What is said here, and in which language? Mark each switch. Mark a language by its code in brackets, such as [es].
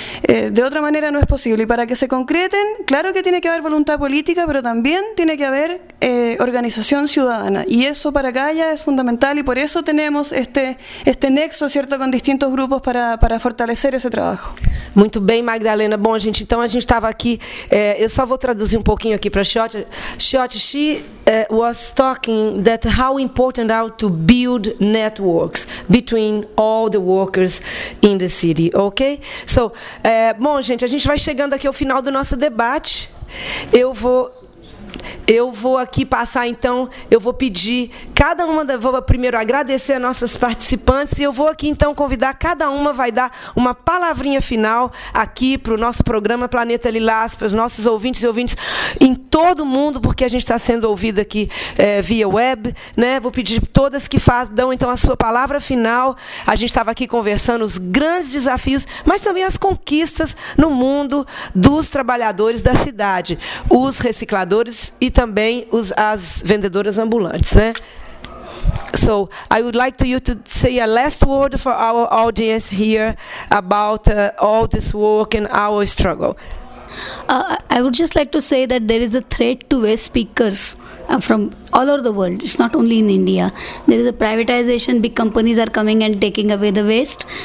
[es] De otra manera no es posible. Para que se concreten, claro que tiene que haber voluntad política, pero también tiene que haber organización ciudadana. Y eso para Gaia es fundamental, y por eso tenemos este nexo, ¿cierto?, con distintos grupos para fortalecer ese trabajo. [pt] Muito bem, Magdalena. Bom, gente, então a gente estava aqui. Eu só vou traduzir pouquinho aqui para Xote. [en] Xote, she was talking that how important are to build networks between all the workers in the city, ok? [pt] So, bom, gente, a gente vai chegando aqui ao final do nosso debate. Eu vou aqui passar, então, eu vou pedir cada uma, vou primeiro agradecer as nossas participantes e eu vou aqui, então, convidar cada uma, vai dar uma palavrinha final aqui para o nosso programa Planeta Lilás, para os nossos ouvintes e ouvintes em todo o mundo, porque a gente está sendo ouvido aqui via web, né? Vou pedir todas que dão, então, a sua palavra final. A gente estava aqui conversando os grandes desafios, mas também as conquistas no mundo dos trabalhadores da cidade, os recicladores e também as vendedoras ambulantes, né? [en] So, I would like you to say a last word for our audience here about all this work and our struggle. I would just like to say that there is a threat to waste pickers from all over the world. It's not only in India. There is a privatization. Big companies are coming and taking away the waste.